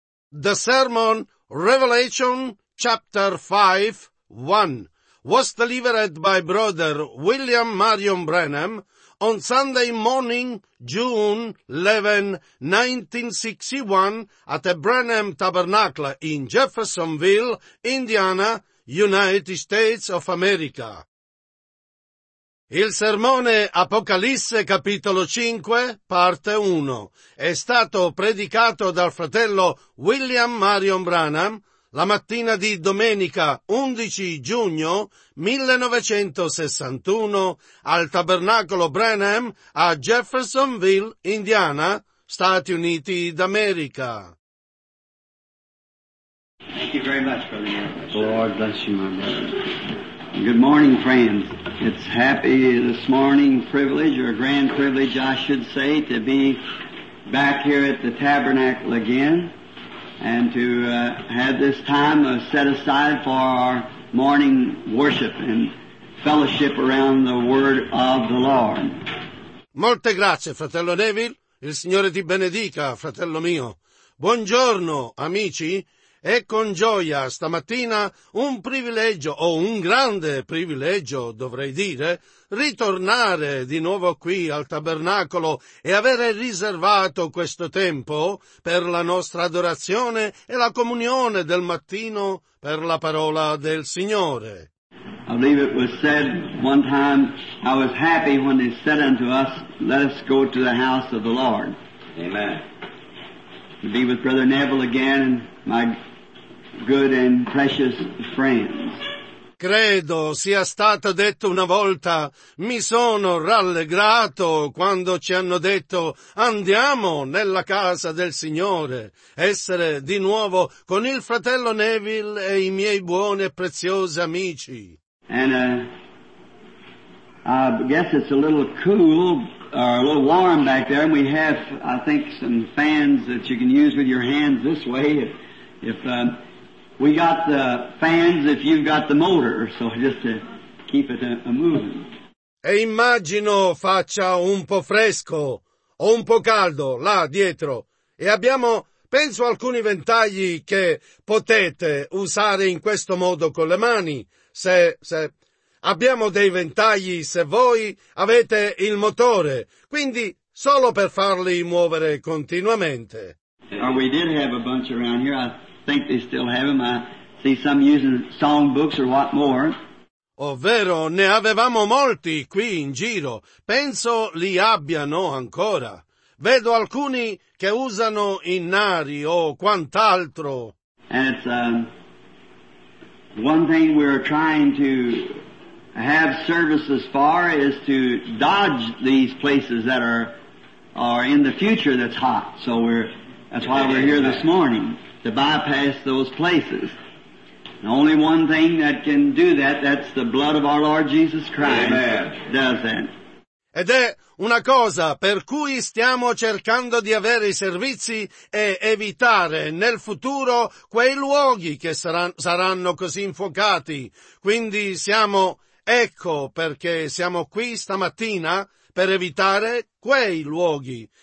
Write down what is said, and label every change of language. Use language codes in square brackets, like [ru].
[en] The sermon, Revelation chapter 5, 1, was delivered by Brother William Marion Branham on Sunday morning, June 11, 1961, at the Branham Tabernacle in Jeffersonville, Indiana, United States of America. [it] Il sermone Apocalisse capitolo 5, parte 1, è stato predicato dal fratello William Marion Branham la mattina di domenica 11 giugno 1961 al Tabernacolo Branham a Jeffersonville, Indiana, Stati Uniti d'America. [en] Thank you very much, brother. Lord bless you, my brother. Good morning, friends. It's happy this morning privilege, or grand privilege, I should say, to be back here at the tabernacle again and to have this time set aside for our morning worship and fellowship around the Word of the Lord. [it] Molte grazie, fratello Neville. Il Signore ti benedica, fratello mio. Buongiorno, amici. È con gioia stamattina un privilegio, o un grande privilegio, dovrei dire, ritornare di nuovo qui al tabernacolo e avere riservato questo tempo per la nostra adorazione e la comunione del mattino per la parola del Signore. [en] I believe it was said one time, I was happy when they said unto us, let us go to the house of the Lord. Amen. To be with Brother Neville again, my good and precious friends. [it] Credo sia stato detto una volta, mi sono rallegrato quando ci hanno detto andiamo nella casa del Signore, essere di nuovo con il fratello Neville e i miei buoni e preziosi amici. [en] And I guess it's a little cool, or a little warm back there, and we have, I think, some fans that you can use with your hands this way. If we got the fans, if you've got the motor, so just to keep it a moving. [it] E immagino faccia un po' fresco o un po' caldo là dietro, e abbiamo, penso, alcuni ventagli che potete usare in questo modo con le mani, se. Abbiamo dei ventagli se voi avete il motore, quindi solo per farli muovere continuamente. [en] We did have a bunch around here. I think they still have them. I see some using songbooks or what more. [it] Ovvero, ne avevamo molti qui in giro. Penso li abbiano ancora. Vedo alcuni che usano innari o quant'altro. [en] And it's one thing we're trying to have services far is to dodge these places that are in the future that's hot. So that's why we're here this morning, to bypass those places. The only one thing that can do that's the blood of our Lord Jesus Christ. Amen. Does that. [it] Ed è una cosa per cui stiamo cercando di avere i servizi e evitare nel futuro quei luoghi che saranno così infuocati. Quindi siamo... Ecco perché siamo qui stamattina, per evitare quei luoghi.